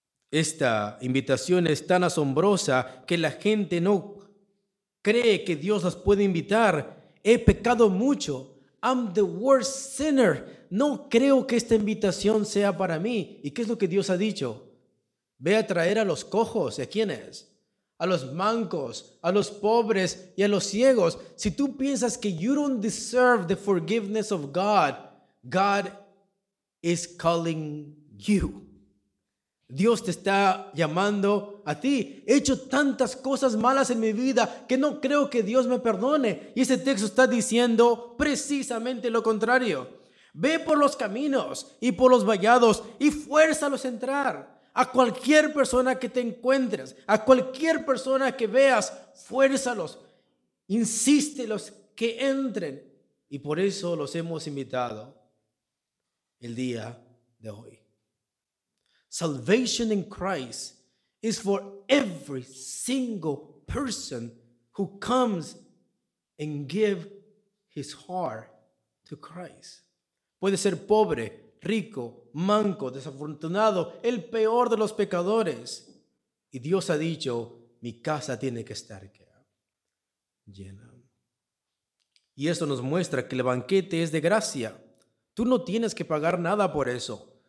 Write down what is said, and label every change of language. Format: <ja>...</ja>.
<es>Esta invitación es tan asombrosa que la gente no cree que Dios las puede invitar. He pecado mucho.</es> <en>I'm the worst sinner.</en> <es>No creo que esta invitación sea para mí. ¿Y qué es lo que Dios ha dicho? Ve a traer a los cojos. ¿A quiénes? A los mancos, a los pobres y a los ciegos. Si tú piensas que</es> <en>you don't deserve the forgiveness of God, God is calling you.</en> <es>Dios te está llamando a ti. He hecho tantas cosas malas en mi vida que no creo que Dios me perdone. Y ese texto está diciendo precisamente lo contrario. Ve por los caminos y por los vallados y fuérzalos a entrar. A cualquier persona que te encuentres, a cualquier persona que veas, fuérzalos. Insístelos que entren. Y por eso los hemos invitado el día de hoy.</es> <en>Salvation in Christ is for every single person who comes and give his heart to Christ.</en> <es>Puede ser pobre, rico, manco, desafortunado, el peor de los pecadores. Y Dios ha dicho, mi casa tiene que estar llena. Y eso nos muestra que el banquete es de gracia. Tú no tienes que pagar nada por eso.</es>